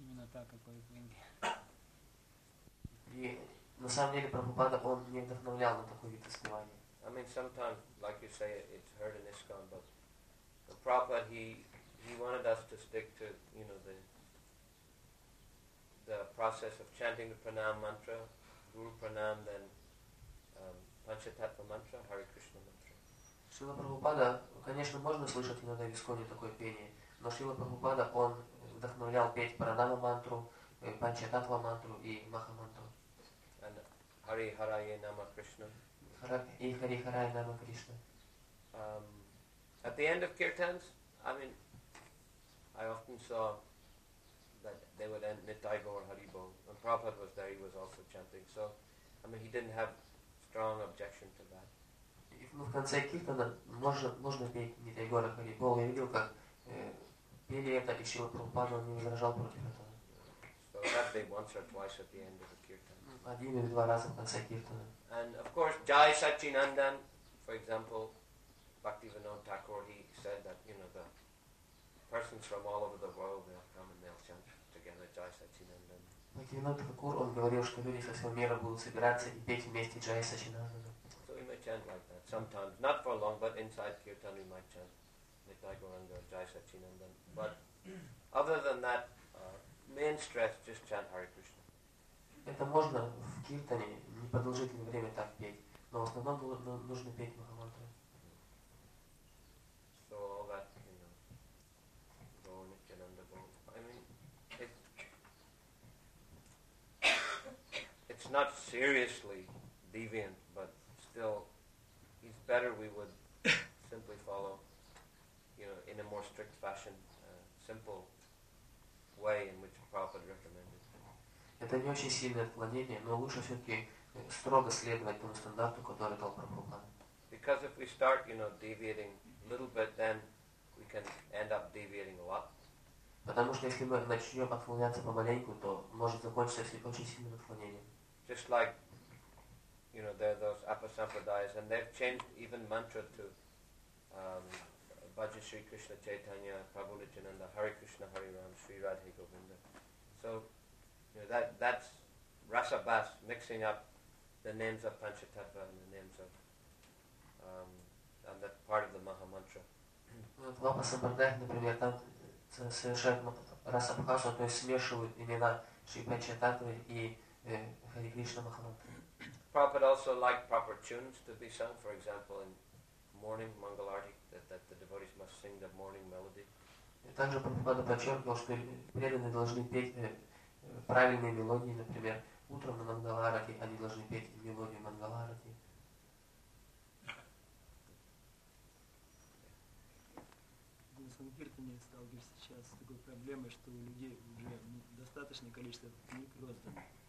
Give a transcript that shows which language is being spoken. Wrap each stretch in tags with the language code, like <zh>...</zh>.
<ru>Именно так, как поют в Индии. На самом деле Прабхупада он не вдохновлял на такое вид воспевания.</ru> <en>I mean sometimes, like you say, it's heard in ISKCON, but the Prabhupada he wanted us to stick to, you know, the process of chanting the pranam mantra, guru pranam, then panchatattva mantra, Hare Krishna mantra.</en> <ru>Шрила Прабхупада, конечно, можно слышать иногда в ISKCONе такое пение, но Шрила Прабхупада он вдохновлял петь пранама мантру, панчататтва мантру и маха мантру.</ru> <en>And Hari Haraye Nama Krishna. Hari Haraye Nama Krishna. At the end of kirtans, I mean, I often saw that they would end Nittai Gaur Hari Bho. When Prabhupada was there, he was also chanting. So, I mean, he didn't have strong objection to that. If in the end of kirtana,</en> <ru>можно петь</ru> <en>Nittai Gaur Hari Bho.</en> <ru>Я видел, как пели это, и Шрила Прабхупада не возражал против этого.</ru> <en>So that they once or twice at the end of the kirtan.</en> <ru>Один или два раза в конце киртана.</ru> <en>And of course, Jai Satchinandan, for example, Bhaktivinod Thakur, he said that, you know, the persons from all over the world, they'll come and they'll chant together Jai Satchinandan.</en> <ru>Bhaktivinod Thakur, он говорил, что люди со всего мира будут собираться и петь вместе Jai Satchinandan.</ru> <en>So we might chant like that sometimes. Not for long, but inside kirtan we might chant Nittai Gauranga Jai Satchinandan. But other than that, main stress, just chant Hare Krishna.</en> <ru>Это можно в киртане непродолжительное время так петь, но в основном нужно петь Махамантру.</ru> <en>So all that, you know, Gaur Nityananda Bho. I mean, it's not seriously deviant, but still, it's better we would simply follow, you know, in a more strict fashion, simple way in which Prabhupada recommended.</en> <ru>Это не очень сильное отклонение, но лучше все-таки строго следовать тому стандарту, который дал Прабхупада.</ru> <en>Because if we start, you know, deviating a little bit, then we can end up deviating a lot.</en> <ru>Потому что если мы начнем отклоняться помаленьку, то может закончиться очень сильным отклонением.</ru> <en>Just like, you know, there are those apasampradayas, and they've changed even mantra to Bhaja Shri Krishna Chaitanya, Prabhu Nityananda, Hare Krishna, Hare Ram, Sri Radhe Govinda. So, you know, that's rasa bas, mixing up the names of panchatattva and the names of and that part of the maha mantra.</en> <ru>В апасампрадаях, например, там совершают раса бхасу, то есть смешивают имена Шри Панчататвы и Хари Кришна маха мантра.</ru> <en>Prabhupada also liked proper tunes to be sung, for example, in morning mangalarti, that the devotees must sing the morning melody.</en> <ru>Также Прабхупада подчеркивал, что преданные должны петь правильные мелодии, например, утром на Мангаларате они должны петь мелодию Мангаларате. В Сангиртане сталкиваюсь сейчас с такой проблемой, что у людей уже достаточное количество книг роздано.</ru>